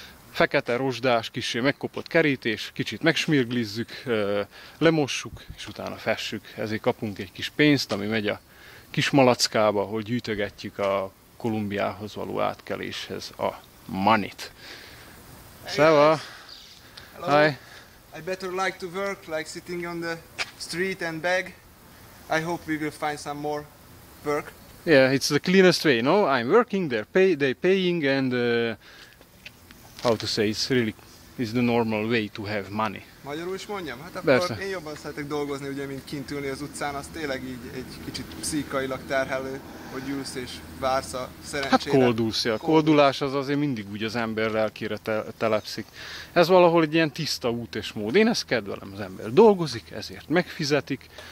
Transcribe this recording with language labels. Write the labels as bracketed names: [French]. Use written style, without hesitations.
[Hungarian] Fekete rozsdás, kissé megkopott kerítés, kicsit megsmirglizzük, lemossuk, és utána fessük. Ezért kapunk egy kis pénzt, ami megy a kis malackába, hogy gyűjtögetjük a Kolumbiához való átkeléshez a money-t. Szeva! [English] Hi! I better like to work, like sitting on the street and beg. I hope we will find some more work. Yeah, it's the cleanest way, no? I'm working, they're paying, and how to say, it's the normal way to have money. [Hungarian] Magyarul is mondjam? Hát akkor én jobban szeretek dolgozni, ugye, mint kint ülni az utcán, az tényleg így egy kicsit pszichikailag terhelő, hogy ülsz és vársz a szerencsére. Hát koldulsz, ja. Koldulás az azért mindig úgy az ember lelkére telepszik. Ez valahol egy ilyen tiszta út és mód. Én ezt kedvelem, az ember dolgozik, ezért megfizetik.